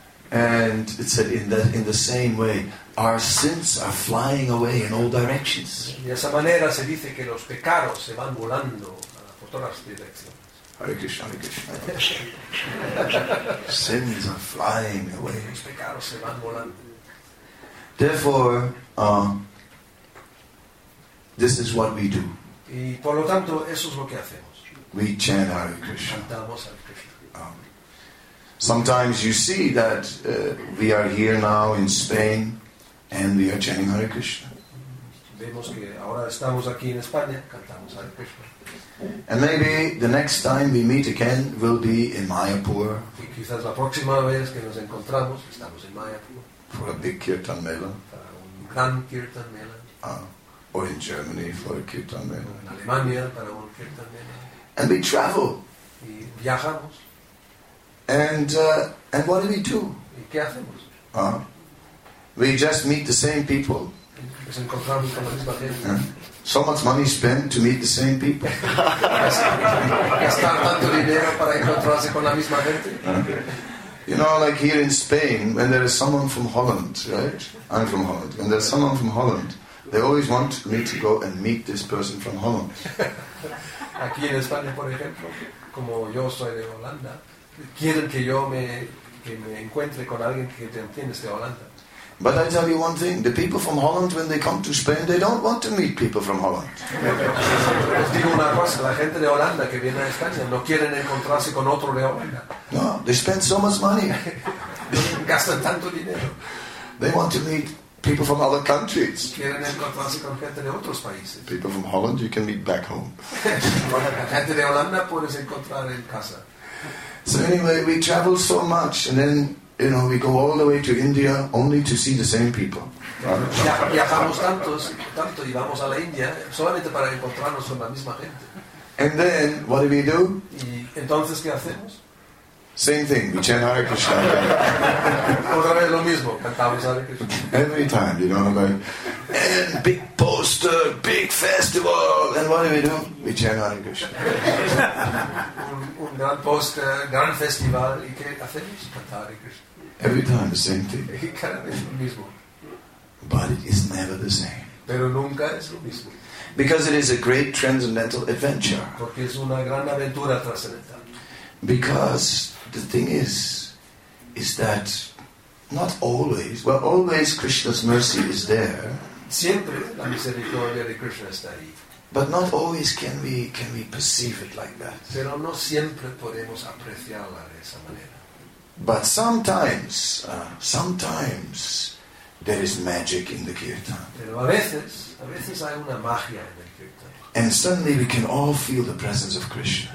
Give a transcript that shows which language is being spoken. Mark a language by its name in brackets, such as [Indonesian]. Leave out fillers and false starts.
[English] And it said in the same way, our sins are flying away in all directions. [Spanish] De esa manera se dice que los pecados se van volando por todas direcciones. [English] Hare Krishna, Hare Krishna. Sins are flying away. [Spanish] Los pecados se van volando. [English] Therefore, this is what we do. [Spanish] Y por lo tanto, eso es lo que hacemos. [English] We chant Hare Krishna. [Spanish] Cantamos Hare Krishna. [English] Sometimes you see that we are here now in Spain and we are chanting Hare Krishna. [Spanish] Vemos que ahora estamos aquí en España, cantamos Hare Krishna. [English] And maybe the next time we meet again will be in Mayapur. [Spanish] Y quizás la próxima vez que nos encontramos estamos en Mayapur. [English] For a big Kirtan Mela. [Spanish] Un gran Kirtan Mela. [English] Or in Germany for a Kirtan Mela. [Spanish] En Alemania para un Kirtan Mela. [English] And we travel. [Spanish] Y viajamos. [English] And what do we do? [Spanish] ¿Y qué hacemos? [English] We just meet the same people. [Spanish] Nos encontramos con la misma gente. [English] So much money spent to meet the same people. [Spanish] Gastar tanto dinero para encontrarse con la misma gente. [English] You know, like here in Spain, when there is someone from Holland, right? I'm from Holland. When there's someone from Holland, they always want me to go and meet this person from Holland. [Spanish] Aquí en España, por ejemplo, como yo soy de Holanda, quieren que yo me encuentre con alguien que tienes de Holanda. [English] But I tell you one thing: the people from Holland, when they come to Spain, they don't want to meet people from Holland. [Spanish] Les digo una cosa: la gente de Holanda que viene a España no quieren encontrarse con otro de Holanda. [English] No, they spend so much money. [Spanish] Gastan tanto dinero. [English] They want to meet people from other countries. [Spanish] Quieren encontrarse con gente de otros países. [English] People from Holland, you can meet back home. [Spanish] La gente de Holanda puedes encontrar en casa. [English] So anyway, we travel so much, and then, you know, we go all the way to India only to see the same people. [Spanish] Viajamos tanto y vamos a la India solamente para encontrarnos con la misma gente. [English] And then, what do we do? [Spanish] ¿Y entonces qué hacemos? [English] Same thing, we chant Hare Krishna. [Spanish] Otra vez lo mismo, cantamos Hare Krishna. [English] Every time, you know, like, and big poster, big festival, and what do? We chant Hare Krishna. [Spanish] Un gran poster, gran festival, y qué hacemos? Cantar Hare Krishna. [English] Every time the same thing. [Spanish] Cada vez lo mismo. [English] But it is never the same. [Spanish] Pero nunca es lo mismo. [English] Because it is a great transcendental adventure. [Spanish] Porque es una gran aventura transcendental. [English] Because the thing is that not always, well, always Krishna's mercy is there. [Spanish] Siempre la misericordia de Krishna está ahí. [English] But not always can we perceive it like that. [Spanish] Pero no siempre podemos apreciarla de esa manera. [English] But sometimes there is magic in the kirtan. [Spanish] Pero a veces hay una magia en el kirtan. [English] And suddenly we can all feel the presence of Krishna.